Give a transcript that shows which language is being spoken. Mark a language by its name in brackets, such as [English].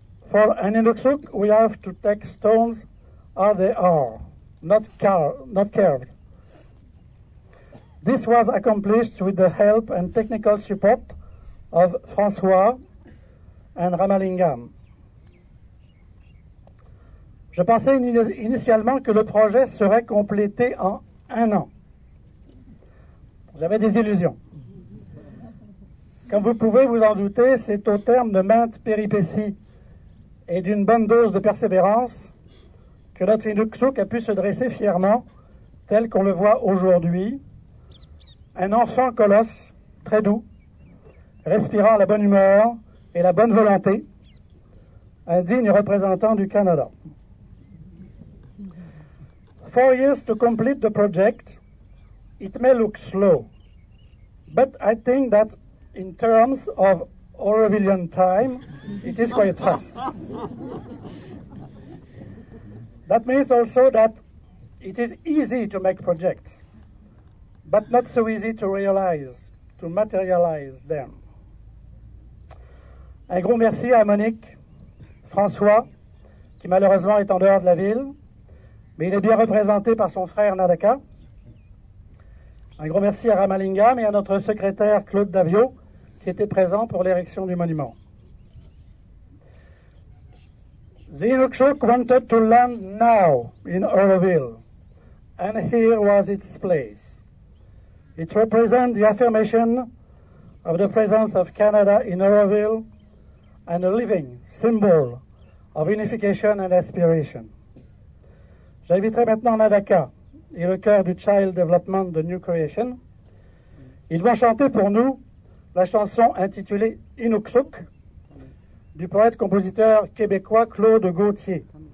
[English] For an Inukshuk, we have to take stones as they are, not carved. This was accomplished with the help and technical support of François and Ramalingam. [French] Je pensais initialement que le projet serait complété en un an. J'avais des illusions. Comme vous pouvez vous en douter, c'est au terme de maintes péripéties et d'une bonne dose de persévérance que notre Inukshuk a pu se dresser fièrement, tel qu'on le voit aujourd'hui, un enfant colosse, très doux, respirant la bonne humeur et la bonne volonté, un digne représentant du Canada. [English] 4 years to complete the project, it may look slow, But I think that in terms of Aurovillian time, it is quite fast. That means also that it is easy to make projects, but not so easy to realize, to materialize them. [French] Un gros merci à Monique, François, qui malheureusement est en dehors de la ville, mais il est bien représenté par son frère Nadaka. Un gros merci à Ramalingam et à notre secrétaire Claude Davio, qui était présent pour l'érection du monument. [English] The Inukshuk wanted to land now in Oroville, and here was its place. It represents the affirmation of the presence of Canada in Oroville and a living symbol of unification and aspiration. [French] J'inviterai maintenant Nadaka et le cœur du Child Development de New Creation. Ils vont chanter pour nous la chanson intitulée Inukshuk, du poète-compositeur québécois Claude Gauthier.